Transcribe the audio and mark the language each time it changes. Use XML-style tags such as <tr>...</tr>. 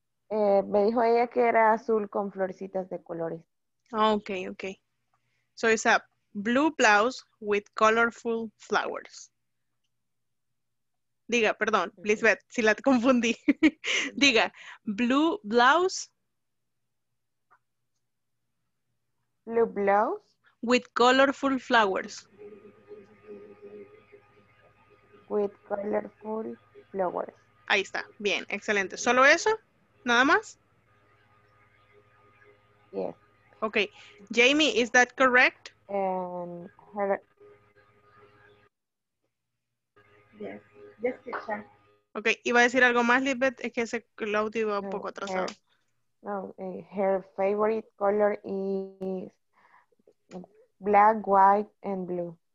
<es>Me dijo ella que era azul con florecitas de colores.</es> <en>Okay. So it's a blue blouse with colorful flowers.</en> <es>Diga, perdón, okay. Lisbeth, si la confundí. Diga,</es> <en>blue blouse with colorful flowers. With colorful flowers.</en> <es>Ahí está, bien, excelente. ¿Solo eso? ¿Nada más?</es> <en>Yes. Okay. Jamie, is that correct? Yes, teacher.</en> <es>Okay, iba a decir algo más, Lisbeth, es que ese audio iba un poco atrasado.</es> <en>Her favorite color is black, white, and blue.</en>